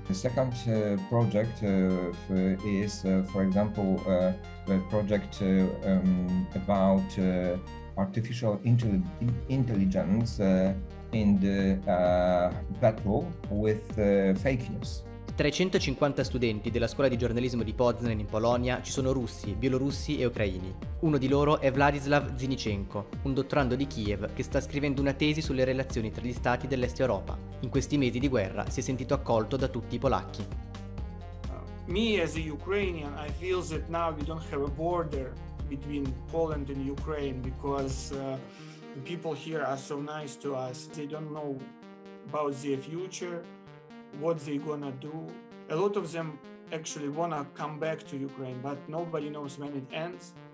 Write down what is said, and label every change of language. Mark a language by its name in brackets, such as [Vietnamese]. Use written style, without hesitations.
[English] The second project is, for example, a project about artificial intelligence in the battle with fake news. [Italian] Tra i 150 studenti della scuola di giornalismo di Poznań in Polonia ci sono russi, bielorussi e ucraini. Uno di loro è Vladislav Zinichenko, un dottorando di Kiev che sta scrivendo una tesi sulle relazioni tra gli stati dell'Est Europa. In questi mesi di guerra si è sentito accolto da tutti i polacchi. [English] Me as a Ukrainian, I feel that now we don't have a border between Poland and Ukraine because the people here are so nice to us. They don't know about their future. What they gonna do. A lot of them actually wanna come back to Ukraine, but nobody knows when it ends.